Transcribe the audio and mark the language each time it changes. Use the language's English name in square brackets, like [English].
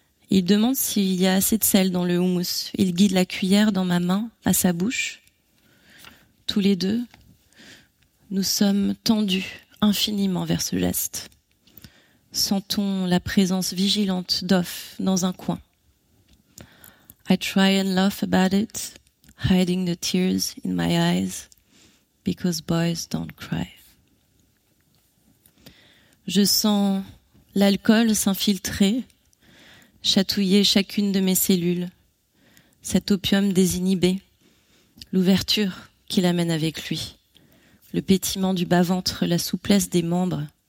[French] Il demande s'il y a assez de sel dans le houmous. Il guide la cuillère dans ma main, à sa bouche. Tous les deux, nous sommes tendus infiniment vers ce geste. Sentons la présence vigilante d'Off dans un coin. [English] I try and laugh about it, hiding the tears in my eyes, because boys don't cry. [French] Je sens l'alcool s'infiltrer, chatouiller chacune de mes cellules, cet opium désinhibé, l'ouverture qu'il amène avec lui, le pétillement du bas-ventre, la souplesse des membres.